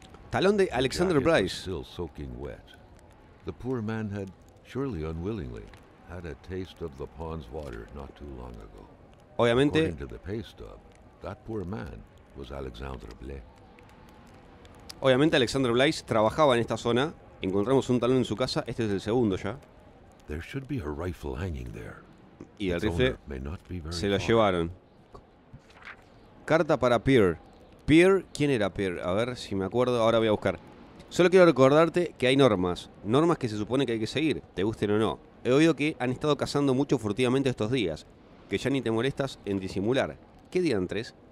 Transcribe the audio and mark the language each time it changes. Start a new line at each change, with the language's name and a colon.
Spanish: Talón de Alexander Bryce.
English: Still soaking wet. The poor man had surely unwillingly had a taste of the pond's water not too long ago.
Spanish: Obviamente,
English: according to the pay stub, that poor man was Alexander Blais.
Spanish: Obviamente Alexander Blais trabajaba en esta zona. Encontramos un talón en su casa. Este es el segundo ya.
English: There should be a rifle hanging there.
Spanish: Y el rifle se lo llevaron. Carta para Pierre. Pierre, ¿quién era Pierre? A ver si me acuerdo. Ahora voy a buscar. Solo quiero recordarte que hay normas. Normas que se supone que hay que seguir, te gusten o no. He oído que han estado cazando mucho furtivamente estos días, que ya ni te molestas en disimular. ¿Qué diantres?